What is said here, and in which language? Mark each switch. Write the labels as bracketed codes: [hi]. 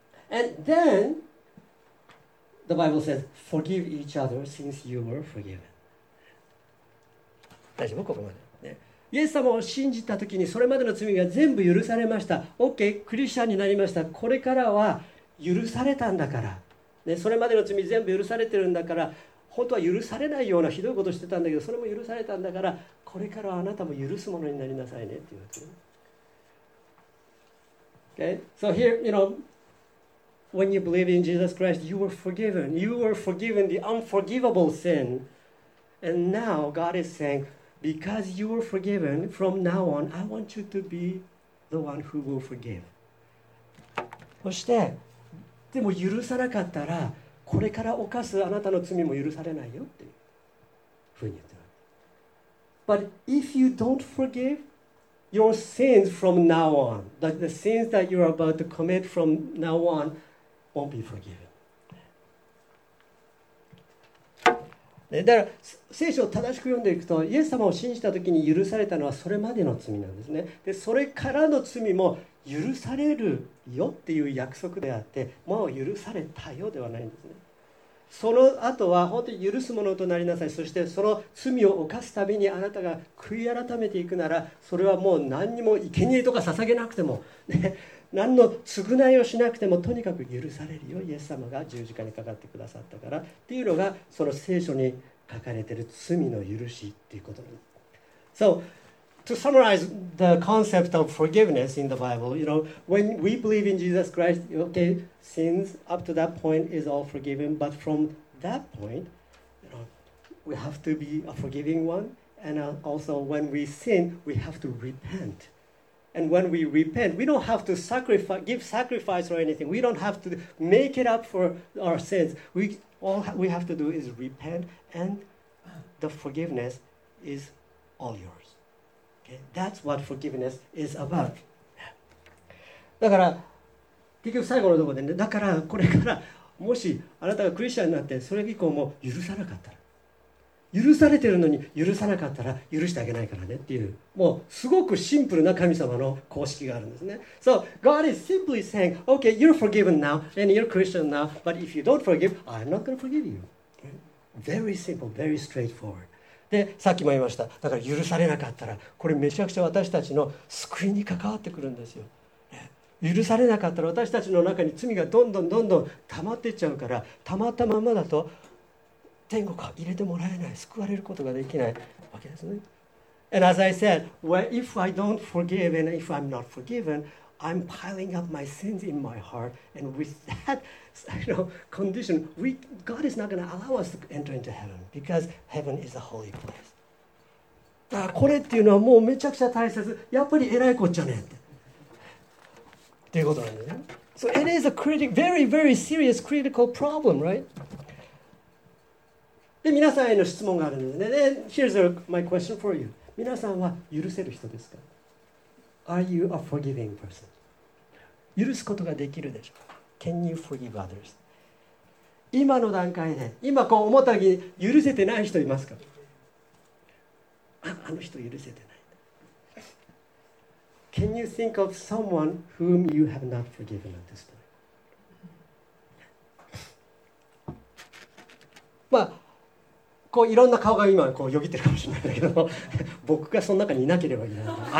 [en] And then, the Bible says, forgive each other since you were forgiven. [ja] 大丈夫ここまで、ね、イエス様を信じたときにそれまでの罪が全部許されました。 OK クリスチャンになりました。これからは許されたんだから、ね、それまでの罪全部許されてるんだから、本当は許されないようなひどいことしてたんだけど、それも許されたんだから、これからはあなたも許すものになりなさいねっていうわけ。 [en] OK So here you know When you believe in Jesus Christ You were forgiven You were forgiven the unforgivable sinAnd now God is saying, because you were forgiven, from now on, I want you to be the one who will forgive. [ja] そして、でも許さなかったら、これから犯すあなたの罪も許されないよっていうふうに言ってる。 [en] But if you don't forgive your sins from now on, the sins that you are about to commit from now on won't be forgiven. [ja] だから聖書を正しく読んでいくと、イエス様を信じたときに許されたのはそれまでの罪なんですね。でそれからの罪も許されるよっていう約束であって、もう許されたよではないんですね。その後は本当に許すものとなりなさい。そしてその罪を犯すたびにあなたが悔い改めていくなら、それはもう何にも生贄とか捧げなくても、ね、何の償いをしなくても、とにかく許されるよ、イエス様が十字架にかかってくださったからっていうのが、その聖書に書かれている罪の許しっていうことです。 [en] So to summarize the concept of forgiveness in the Bible, you know, when we believe in Jesus Christ, okay, sins up to that point is all forgiven, but from that point, you know, we have to be a forgiving one, and also when we sin, we have to repentAnd when we repent, we don't have to sacrifice, give sacrifice or anything. We don't have to make it up for our sins. All we have to do is repent, and the forgiveness is all yours. Okay? That's what forgiveness is about. [ja] だから、結局最後のところでね、だからこれからもしあなたがクリスチャンになってそれ以降も許さなかったら、許されてるのに許さなかったら許してあげないからねっていう、もうすごくシンプルな神様の公式があるんですね。 [en] So God is simply saying, okay, you're forgiven now and you're Christian now, but if you don't forgive, I'm not going to forgive you. Very simple, very straightforward. [ja] で、さっきも言いました、だから許されなかったら、これめちゃくちゃ私たちの救いに関わってくるんですよ。許されなかったら私たちの中に罪がどんどんどんどん溜まっていっちゃうから、溜まったままだと天国は入れてもらえない、救われることができないわけですね。 [en] And as I said, well, if I don't forgive and if I'm not forgiven, I'm piling up my sins in my heart, and with that, you know, condition, God is not going to allow us to enter into heaven because heaven is a holy place. [ja] だからこれっていうのはもうめちゃくちゃ大切、やっぱり偉いこっちゃねってということなんですね。 [en] So it is a critical, very, very serious critical problem, right? [ja] で、皆さんへの質問があるんですね。 [en] Then here's my question for you. [ja] 皆さんは許せる人ですか? [en] Are you a forgiving person? [ja] 許すことができるでしょうか? [en] Can you forgive others? [ja] 今の段階で、今こう思ったに許せてない人いますか? あの人許せてない。 [en] Can you think of someone whom you have not forgiven at this time? [ja] まあ、こういろんな顔が今こうよぎってるかもしれないけど、僕がその中にいなければいいな。